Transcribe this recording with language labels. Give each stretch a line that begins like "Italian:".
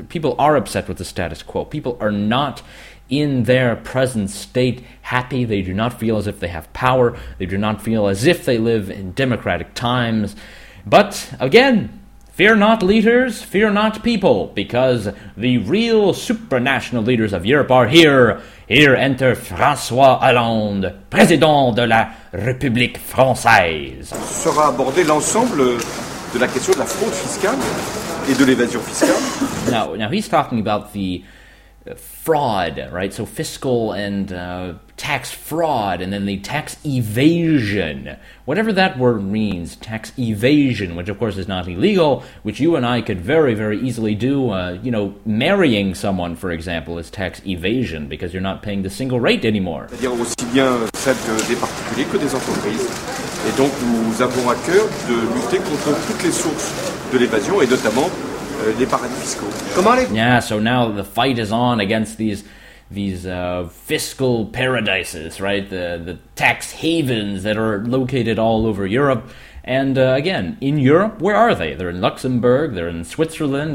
English: People are upset with the status quo. People are not in their present state happy. They do not feel as if they have power. They do not feel as if they live in democratic times. But again, fear not leaders, fear not people, because the real supranational leaders of Europe are here. Here enter François Hollande,
French: président de la République française. Sera abordé l'ensemble de la question de la fraude fiscale et de l'évasion fiscale.
English: Now he's talking about the fraud, right? So fiscal and tax fraud, and then the tax evasion. Whatever that word means, tax evasion, which of course is not illegal, which you and I could very, very easily do. You know, marrying someone, for example, is tax evasion because you're not paying the single rate anymore.
French: C'est-à-dire aussi bien celle des particuliers que des entreprises. Et donc nous avons à cœur de lutter contre toutes les sources de l'évasion et notamment
English: Yeah, so now the fight is on against these fiscal paradises, right? The tax havens that are located all over Europe. And again, in Europe, where are they? They're in Luxembourg, they're in Switzerland.